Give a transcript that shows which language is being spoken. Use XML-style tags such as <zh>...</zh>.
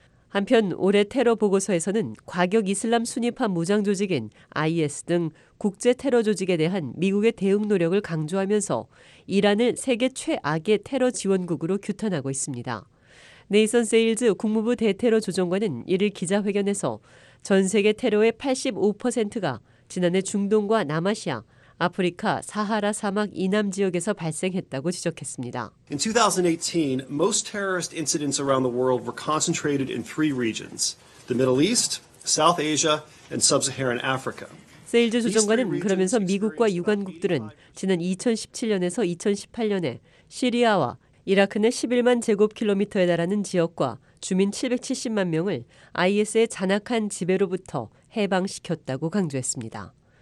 <ko>한편 올해 테러 보고서에서는 과격 이슬람 순위파 무장 조직인 IS 등 국제 테러 조직에 대한 미국의 대응 노력을 강조하면서 이란을 세계 최악의 테러 지원국으로 규탄하고 있습니다. 네이선 세일즈 국무부 대테러 조정관은 이를 기자회견에서 전 세계 테러의 85%가 지난해 중동과 남아시아, 아프리카, 사하라 사막 이남 지역에서 발생했다고 지적했습니다.</ko> <en>In 2018, most terrorist incidents around the world were concentrated in three regions: the Middle East, South Asia, and Sub-Saharan Africa.</en> <ko>세일즈 조정관은 그러면서 미국과 유관국들은 지난 2017년에서 2018년에 시리아와 이라크 내 11만 제곱킬로미터에 달하는 지역과 주민 770만 명을 IS의 잔악한 지배로부터 해방시켰다고 강조했습니다.</ko>